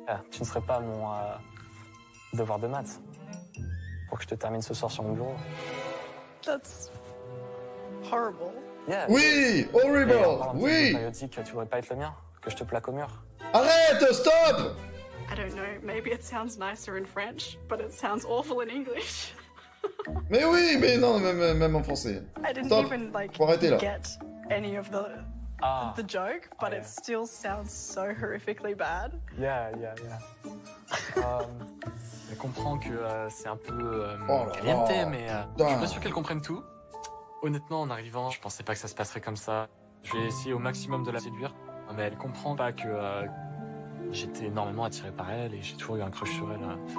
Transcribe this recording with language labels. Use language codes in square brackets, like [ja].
[fr] Tu ne serais pas mon devoir de maths pour que je te termine ce soir sur mon bureau. [en] That's horrible. Yeah, [fr] oui, horrible. Oui. Périodique, tu voudrais pas être le mien, que je te plaque au mur. Arrête, stop. [en] I don't know. Maybe it sounds nicer in French, but it sounds awful in English. [fr] Mais oui, mais non, même en français. Stop. Faut arrêter là. [en] Any of the the joke, but it still sounds so horrifically bad. Yeah. [fr] Elle comprend que c'est un peu caliente, mais je suis pas sûr qu'elle comprenne tout. Honnêtement, en arrivant, je pensais pas que ça se passerait comme ça. Je vais essayer au maximum de la séduire, mais elle comprend pas que j'étais énormément attiré par elle et j'ai toujours eu un crush sur elle.